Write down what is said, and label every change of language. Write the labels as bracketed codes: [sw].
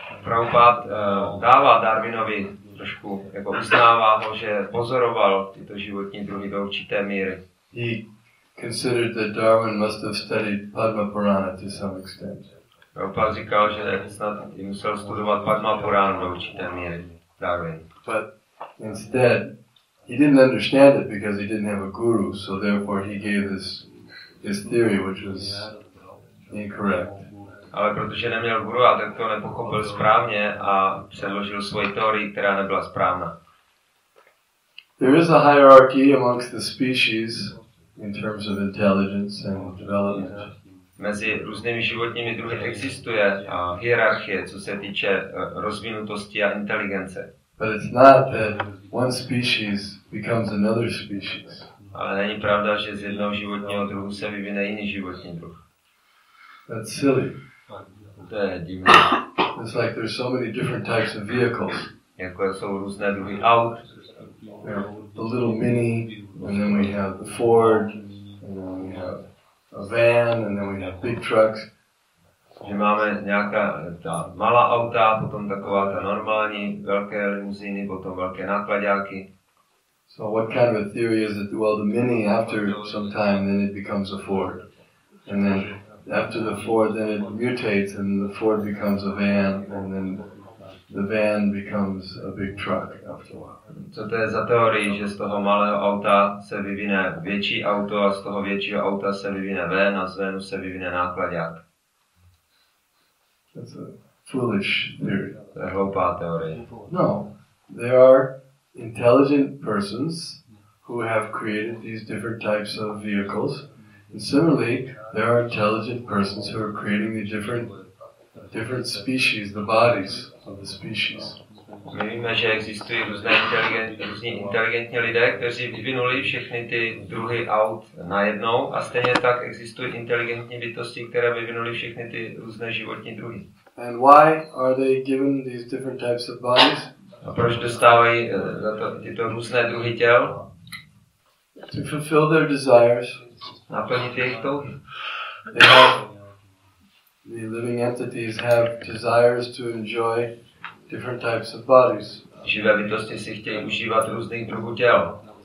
[cs] Prabhupada dává Darwinovi trošku, jako uznává ho, že pozoroval tyto životní druhy do určité míry. [en] He considered that Darwin must have studied Padma Purana to some extent. [cs] Prabhupada říkal, že snad musel studovat Padma Purana do určité míry Darwin. [en] But instead, he didn't understand it because he didn't have a guru, so therefore he gave his theory, which was incorrect. [cs] Ale protože neměl guru, a tak to nepochopil správně a předložil svoji teorii, která nebyla správná. [en] There is a hierarchy amongst the species in terms of intelligence and development. [cs] Mezi různými životními druhy existuje hierarchie, co se týče rozvinutosti a inteligence. [en] But it's not that one species becomes another species. [cs] Ale není pravda, že z jednoho životního druhu se vyvine jiný životní druh. [en] That's silly. [cs] To je divné. [en] It's like there's so many different types of vehicles. [cs] Jako jsou různé druhy aut. [en] The little mini, and then we have the Ford, and then we have a van, and then we have big trucks. [cs] Že máme nějaká ta malá auta, potom taková ta normální, velké limuzíny, potom velké nákladňáky. [en] So what kind of a theory is it? Well, the mini after some time, then it becomes a Ford. And then after the Ford, then it mutates, and the Ford becomes a van, and then the van becomes a big truck after a while. [cs] Co to je za teorii, že z toho malého auta se vyvine větší auto, a z toho většího auta se vyvine van, a z vanu se vyvine nákladňák? [en] That's a foolish theory. [cs] To je hloupá teorie. [en] No, there are intelligent persons who have created these different types of vehicles. And similarly, there are intelligent persons who are creating the different species, the bodies of the species. [cs] My víme, že existují různí inteligentní lidé, kteří vyvinuli všechny ty druhy aut najednou, a stejně tak existují inteligentní bytosti, které vyvinuli všechny ty různé životní druhy. [en] And why are they given these different types of bodies? [cs] A proč dostávají za to tyto různé druhy těl? [en] To fulfill their desires. [cs] Naplnit jejich touhy. [en] The living entities have desires to enjoy different types of bodies. [cs] Živé bytosti si chtějí užívat různých druhů těl.